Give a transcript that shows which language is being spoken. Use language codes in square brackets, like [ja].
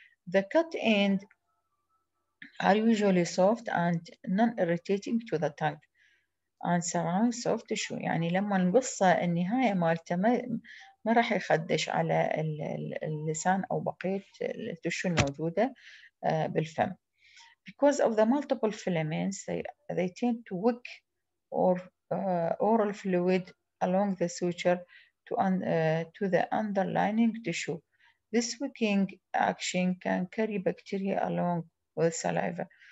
[en] The cut end are usually soft and non-irritating to the tongue and surround soft tissue. [ar] يعني لما نقص النهاية مالته ما راح يخدش على اللسان أو بقية التشو الموجودة بالفم. [en] Because of the multiple filaments, they tend to wick or oral fluid along the suture to the underlying tissue. This wicking action can carry bacteria along with saliva.